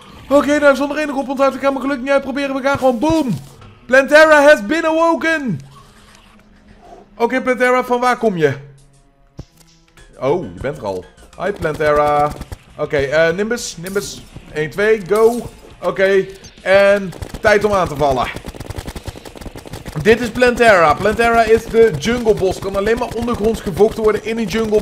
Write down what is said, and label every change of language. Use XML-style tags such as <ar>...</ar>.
<nl>Oké, nou, zonder enig oponthoud, ik ga mijn geluk niet uitproberen. We gaan gewoon boom.</nl> <en>Plantera has been awoken.</en> <nl>Oké, Plantera, van waar kom je? Oh, je bent er al. Hi, Plantera. Oké, Nimbus, Nimbus. 1, 2, go. Oké, en tijd om aan te vallen. Dit is Plantera. Plantera is de jungle boss. Kan alleen maar ondergronds gevochten worden in een jungle.</nl>